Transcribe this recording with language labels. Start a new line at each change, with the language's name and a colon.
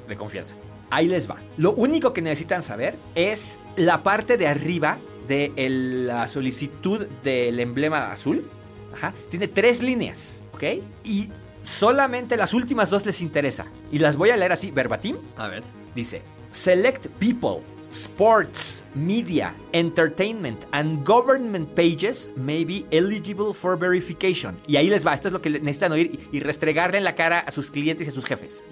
Spanish: De confianza. Ahí les va. Lo único que necesitan saber es la parte de arriba de la solicitud del emblema azul. Ajá. Tiene tres líneas, ¿ok? Y solamente las últimas dos les interesa. Y las voy a leer así, verbatim. A ver. Dice:
English: Select people, sports, media, entertainment, and government pages may be eligible for verification.
Spanish: Y ahí les va. Esto es lo que necesitan oír y restregarle en la cara a sus clientes y a sus jefes.